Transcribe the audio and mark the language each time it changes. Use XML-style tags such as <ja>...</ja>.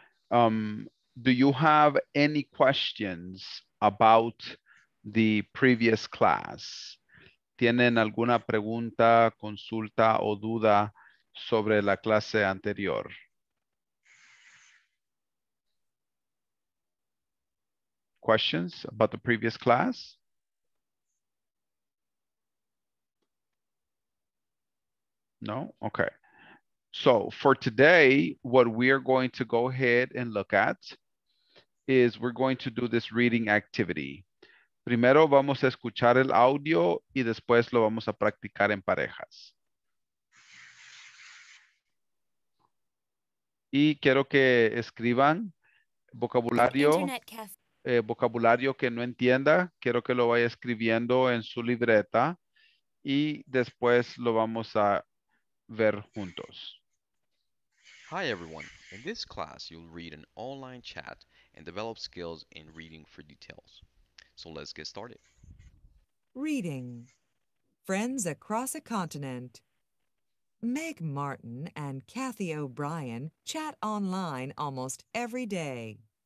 <en>Do you have any questions about the previous class?</en> <es>¿Tienen alguna pregunta, consulta o duda sobre la clase anterior?</es> <en>Questions about the previous class? No? Okay. So for today, what we are going to go ahead and look at is we're going to do this reading activity.</en> <es>Primero vamos a escuchar el audio y después lo vamos a practicar en parejas. Y quiero que escriban vocabulario, vocabulario que no entienda. Quiero que lo vaya escribiendo en su libreta y después lo vamos a ver juntos.</es> <en>Hi everyone, in this class you'll read an online chat and develop skills in reading for details. So let's get started. Reading. Friends across a continent. Meg Martin and Kathy O'Brien chat online almost every day.</en>